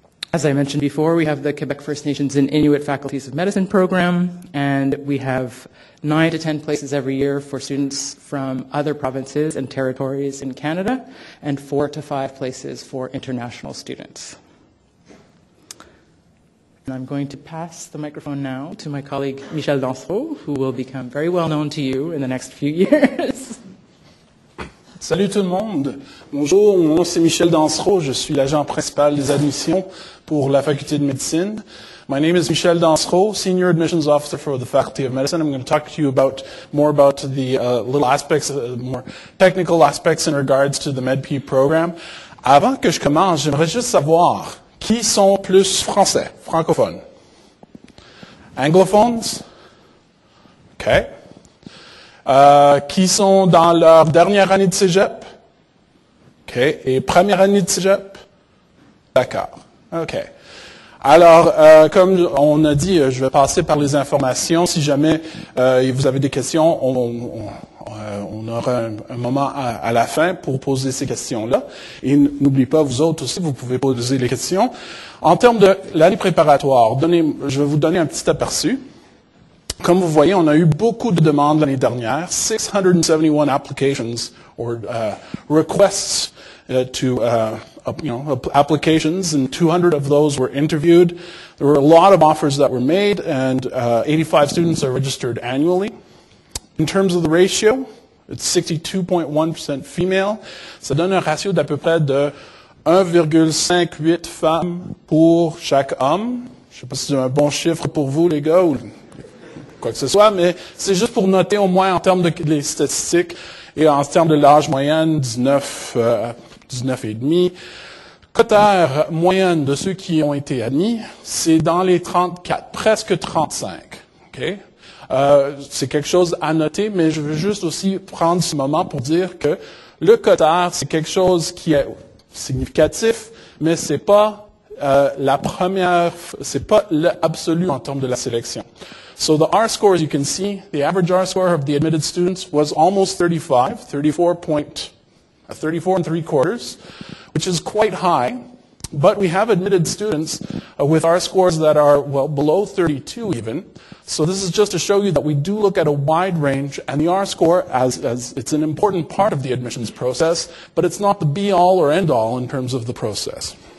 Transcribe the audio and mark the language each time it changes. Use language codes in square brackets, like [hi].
[en] As I mentioned before, we have the Quebec First Nations and Inuit Faculties of Medicine program, and we have 9 to 10 places every year for students from other provinces and territories in Canada, and 4 to 5 places for international students. And I'm going to pass the microphone now to my colleague Michel Danseau, who will become very well known to you in the next few years. [fr] Salut tout le monde. Bonjour, mon nom c'est Michel Danseau. Je suis l'agent principal des admissions pour la Faculté de médecine. [en] My name is Michel Danseau, Senior Admissions Officer for the Faculty of Medicine. I'm going to talk to you about more about the little aspects, more technical aspects in regards to the MedP program. [fr] Avant que je commence, j'aimerais juste savoir qui sont plus français, francophones, anglophones. Okay. Qui sont dans leur dernière année de cégep? OK. Et première année de cégep? D'accord. OK. Alors, comme on a dit, je vais passer par les informations. Si jamais vous avez des questions, on aura un moment à la fin pour poser ces questions-là. Et n'oubliez pas, vous autres aussi, vous pouvez poser les questions. En termes de l'année préparatoire, je vais vous donner un petit aperçu. Comme vous voyez, on a eu beaucoup de demandes l'année dernière, 671 [en] applications or requests to applications, and 200 of those were interviewed. There were a lot of offers that were made, and 85 students are registered annually. In terms of the ratio, it's 62.1% female. [fr] Ça donne un ratio d'à peu près de 1,58 femmes pour chaque homme. Je sais pas si c'est un bon chiffre pour vous les gars ou quoi que ce soit, mais c'est juste pour noter au moins en termes de les statistiques et en termes de l'âge moyenne, 19 et demi. Cotère moyenne de ceux qui ont été admis, c'est dans les 34, presque 35. Okay? C'est quelque chose à noter, mais je veux juste aussi prendre ce moment pour dire que le cotère, c'est quelque chose qui est significatif, mais c'est pas la première, c'est pas l'absolu en termes de la sélection. [en] So the R-score, as you can see, the average R-score of the admitted students was almost 34 and three quarters, which is quite high. But we have admitted students with R-scores that are, well, below 32 even. So this is just to show you that we do look at a wide range, and the R-score, as it's an important part of the admissions process, but it's not the be-all or end-all in terms of the process.